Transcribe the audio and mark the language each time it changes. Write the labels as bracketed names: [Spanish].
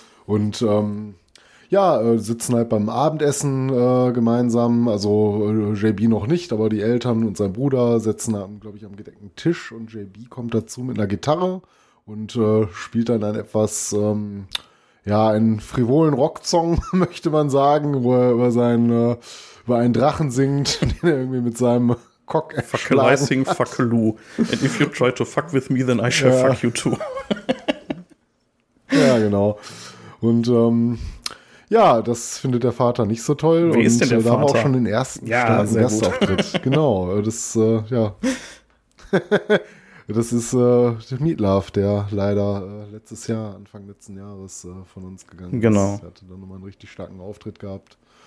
[German] Und ja, sitzen halt beim Abendessen gemeinsam, also JB noch nicht, aber die Eltern und sein Bruder sitzen, glaube ich, am gedeckten Tisch und JB kommt dazu mit einer Gitarre und spielt dann ein etwas, einen frivolen Rocksong, möchte man sagen, wo er über einen Drachen singt, den er irgendwie mit seinem Cock erschlagen hat. [English] Fuck a rising, fuck a loo. And if you try to fuck with me, then I shall fuck you too. [German] Ja, genau. Und ja, das findet der Vater nicht so toll. Wie ist denn der Vater? Da haben wir auch schon den ersten Gastauftritt. Genau, das, das ist Meat Love, der leider Anfang letzten Jahres von uns gegangen ist. Er hatte dann nochmal einen richtig starken Auftritt gehabt.